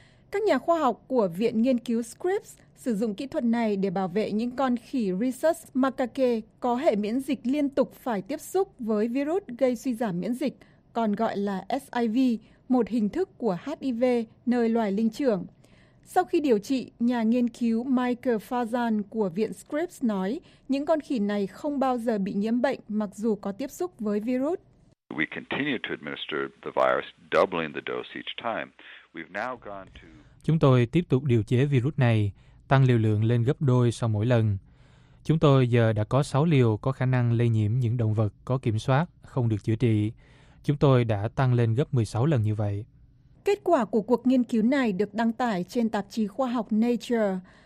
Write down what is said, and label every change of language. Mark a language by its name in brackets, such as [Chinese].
[Vietnamese] Các nhà khoa học của Viện Nghiên cứu Scripps sử dụng kỹ thuật này để bảo vệ những con khỉ rhesus macaque có hệ miễn dịch liên tục phải tiếp xúc với virus gây suy giảm miễn dịch, còn gọi là SIV, một hình thức của HIV nơi loài linh trưởng. Sau khi điều trị, nhà nghiên cứu Michael Farzan của Viện Scripps nói những con khỉ này không bao giờ bị nhiễm bệnh mặc dù có tiếp xúc với virus. [English] We continue to administer the virus, doubling the dose each time. [Vietnamese] Chúng tôi tiếp tục điều chế virus này, tăng liều lượng lên gấp đôi sau mỗi lần. Chúng tôi giờ đã có 6 liều có khả năng lây nhiễm những động vật có kiểm soát, không được chữa trị. Chúng tôi đã tăng lên gấp 16 lần như vậy. Kết quả của cuộc nghiên cứu này được đăng tải trên tạp chí khoa học Nature.